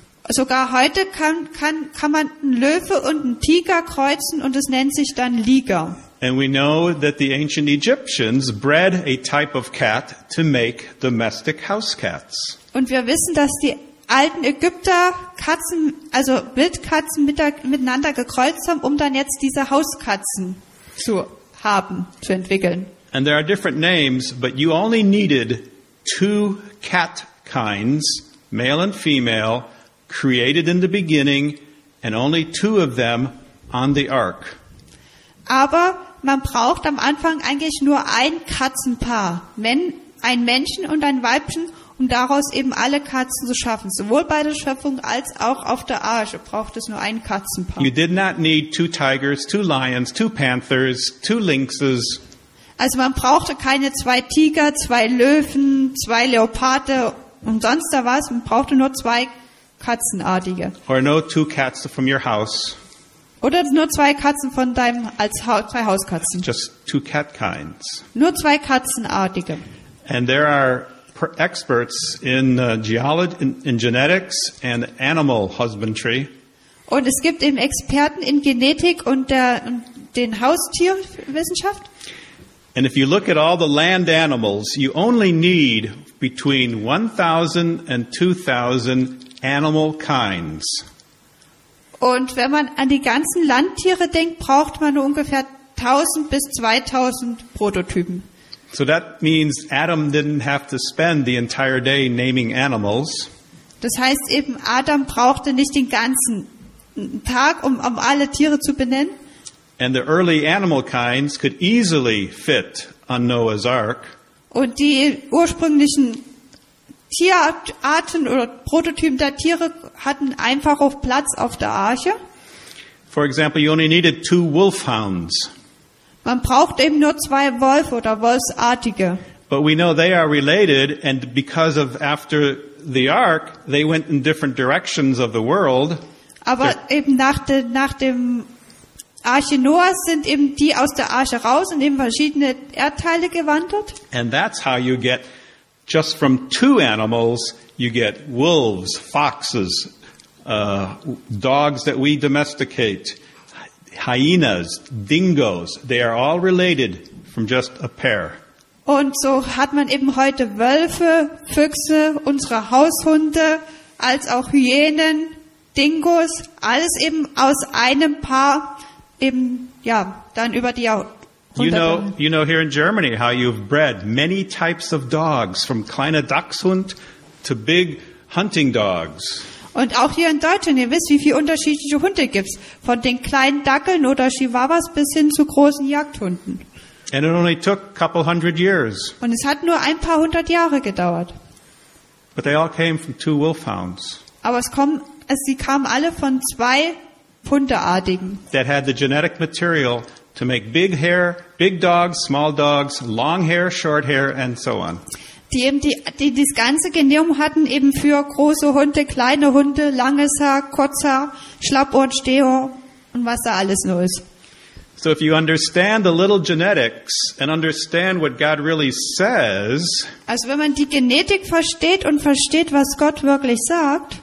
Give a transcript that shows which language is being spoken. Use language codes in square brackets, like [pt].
[de] Sogar heute kann man einen Löwe und einen Tiger kreuzen und es nennt sich dann Liger. [en] And we know that the ancient Egyptians bred a type of cat to make domestic house cats. [de] Und wir wissen, dass die alten Ägypter Katzen, also Wildkatzen miteinander gekreuzt haben, um dann jetzt diese Hauskatzen zu entwickeln. [en] And there are different names, but you only needed two cat kinds, male and female, created in the beginning, and only two of them on the ark. [de] Aber man braucht am Anfang eigentlich nur ein Katzenpaar, wenn ein Männchen und ein Weibchen, um daraus eben alle Katzen zu schaffen. Sowohl bei der Schöpfung als auch auf der Arche braucht es nur ein Katzenpaar. [en] You did not need two tigers, two lions, two panthers, two lynxes. [de] Also man brauchte keine zwei Tiger, zwei Löwen, zwei Leoparde und sonst da was. Man brauchte nur zwei Katzenartige. [en] Or no two cats from your house. [de] Oder nur zwei Katzen von deinem, als zwei Hauskatzen. [en] Just two cat kinds. [de] Nur zwei Katzenartige. [en] And there are experts in geology, in genetics and animal husbandry. [de] Und es gibt eben Experten in Genetik und der den Haustierwissenschaft. [en] And if you look at all the land animals, you only need between 1,000 and 2,000 animal kinds. [de] Und wenn man an die ganzen Landtiere denkt, braucht man nur ungefähr 1000 bis 2000 Prototypen. [en] So that means Adam didn't have to spend the entire day naming animals. [de] Das heißt eben, Adam brauchte nicht den ganzen Tag, um alle Tiere zu benennen. [en] And the early animal kinds could easily fit on Noah's ark. [de] Und die ursprünglichen Tierarten oder Prototypen der Tiere hatten einfach auf Platz auf der Arche. [en] For example, you only needed two wolfhounds. [de] Man braucht eben nur zwei Wolf oder Wolfsartige. [en] But we know they are related, and because of after the ark, they went in different directions of the world. [de] Aber eben nach dem Arche Noahs sind eben die aus der Arche raus und in verschiedene Erdteile gewandert. [en] And that's how you get, just from two animals, you get wolves, foxes, dogs that we domesticate, hyenas, dingoes. They are all related from just a pair. [de] Und so hat man eben heute Wölfe, Füchse, unsere Haushunde, als auch Hyänen, Dingos, alles eben aus einem Paar, eben, ja, dann über die Jahrhunderte. [en] You know here in Germany how you've bred many types of dogs, from [de] kleine Dachshund [en] to big hunting dogs. [de] Und auch hier in Deutschland, ihr wisst, wie viele unterschiedliche Hunde gibt's, von den kleinen Dackeln oder Chihuahuas bis hin zu großen Jagdhunden. [en] And it only took a couple hundred years. [de] Und es hat nur ein paar hundert Jahre gedauert. [en] But they all came from two wolfhounds. [de] Aber sie kamen alle von zwei Hundeartigen. [en] That had the genetic material to make big hair, big dogs, small dogs, long hair, short hair, and so on. [de] Die eben die das ganze Genom hatten eben für große Hunde, kleine Hunde, langes Haar, kurzer, Schlappohren, Stehohr und was da alles nur ist. [en] So if you understand the little genetics and understand what God really says, [de] also wenn man die Genetik versteht und versteht, was Gott wirklich sagt,